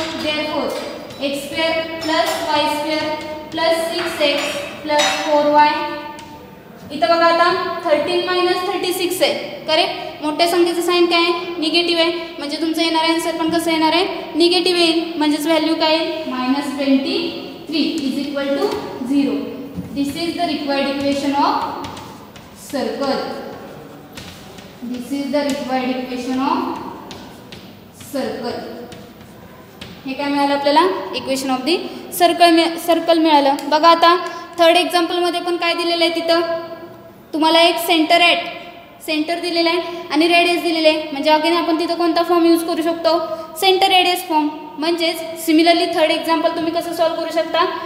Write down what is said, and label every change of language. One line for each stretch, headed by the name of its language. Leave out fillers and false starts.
Marathi: Therefore x² + 5² + 6x + 4y इथं बघा आता 13 - 36 आहे करेक्ट, मोठ्या संख्येचं साईन काय आहे, निगेटिव्ह आहे म्हणजे तुमचं येणार आहे आन्सर पण कसं येणार आहे, निगेटिव्ह येईल म्हणजेच व्हॅल्यू काय आहे, -23
English: Is equal to 0। This is the required equation of circle. This is the required equation of circle.
Marathi: हे काय मिळालं आपल्याला? इक्वेशन ऑफ द सर्कल मिळालं. बघा आता थर्ड एक्झाम्पलमध्ये पण काय दिलेलं आहे, तिथं तुम्हाला एक सेंटर ॲट सेंटर दिलेला आहे आणि रेडियस दिलेला आहे. म्हणजे अगेन आपण तिथं कोणता फॉर्म यूज करू शकतो? Centre radius form. म्हणजेच सिमिलरली थर्ड एक्झाम्पल तुम्ही कसं सॉल्व करू शकता?